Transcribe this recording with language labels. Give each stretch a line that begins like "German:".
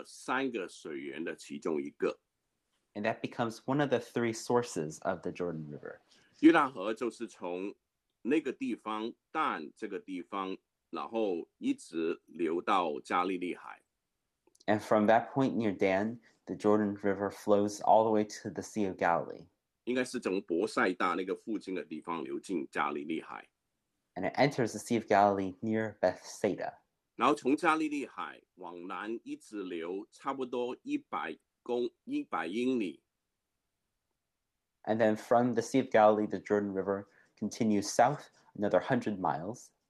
Chinese: 那个就成为约旦河三个水源的其中一个。
English: And that becomes one of the three sources of the Jordan River.
Chinese: 约旦河就是从那个地方，但这个地方, 然后一直流到加利利海。
English: And from that point near Dan, the Jordan River flows all the way to the Sea of Galilee.
Chinese: 应该是从伯赛大那个附近的地方流进加利利海。
English: And it enters the Sea of Galilee near Bethsaida.
Chinese: 然后从加利利海往南一直流差不多100公100英里。
English: And then from the Sea of Galilee, the Jordan River continues south another 100 miles.